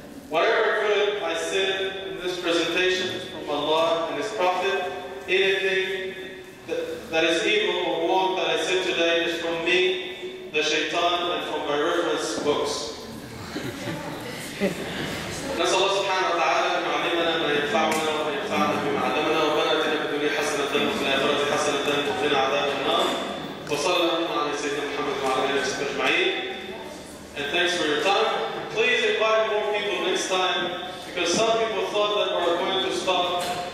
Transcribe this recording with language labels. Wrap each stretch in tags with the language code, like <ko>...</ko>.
<en>Whatever good I said in this presentation from Allah and His Prophet, anything that is evil or wrong that I said today is from me, the shaitan, and from my reference books.</en> <ar>نسأل الله سبحانه وتعالى أن يعلمنا ما ينفعنا وأن ينفعنا بما علمنا ربنا آتنا في الدنيا حسنة وفي الآخرة حسنة وقنا عذاب النار وصلى الله على سيدنا محمد وعلى آله وصحبه أجمعين.</ar> <en>And thanks for your time. Please invite more people next time because some people thought that we were going to stop.</en>